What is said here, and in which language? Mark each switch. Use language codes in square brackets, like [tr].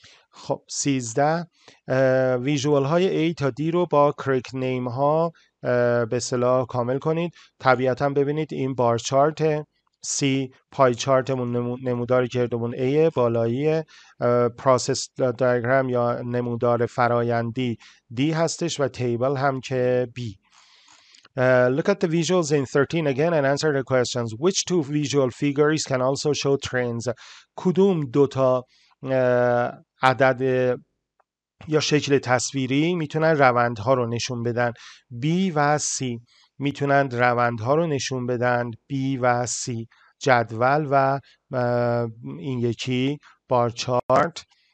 [fa] خب 13 ویژوال های A تا D رو با correct name ها به اصطلاح کامل کنید. طبیعتا ببینید این بار چارت C، پای چارتمون نموداری که دومون A، بالایی پروسس دایگرام یا نمودار فرایندی D هستش و تیبل هم که B. [en] Look at the visuals in 13 again and answer the questions. Which two visual figures can also show trends? [fa] کدوم دوتا عدد یا شکل تصویری میتونن روندها رو نشون بدن؟ B و C میتونن روندها رو نشون بدن. B و C، جدول و این یکی بار چارت.